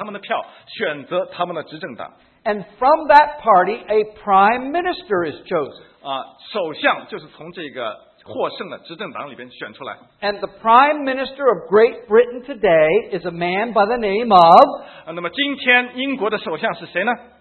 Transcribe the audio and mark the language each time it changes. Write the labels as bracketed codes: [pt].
[zh] 那么也就是说，君主立宪制就是英国的公民定期可以到投票箱那里投下他们的票，选择他们的执政党。 [en] And from that party, a prime minister is chosen. [zh] 首相就是从这个获胜的执政党里边选出来。 [en] And the prime minister of Great Britain today is a man by the name of. [zh] 那么今天英国的首相是谁呢？